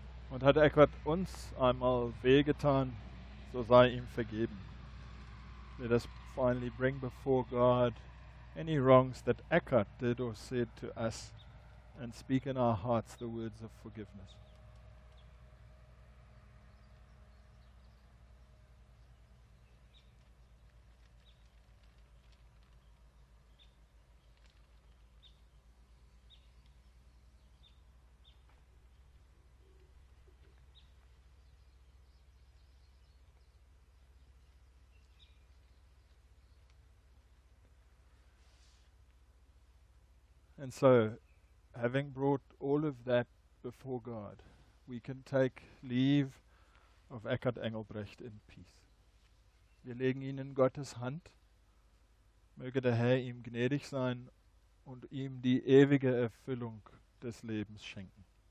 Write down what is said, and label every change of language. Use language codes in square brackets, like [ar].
[de] Und hat Eckard uns einmal wehgetan, so sei ihm vergeben. [en] Let us finally bring before God any wrongs that Eckard did or said to us and speak in our hearts the words of forgiveness. And so, having brought all of that before God, we can take leave of Eckard Engelbrecht in peace. [de] Wir legen ihn in Gottes Hand. Möge der Herr ihm gnädig sein und ihm die ewige Erfüllung des Lebens schenken.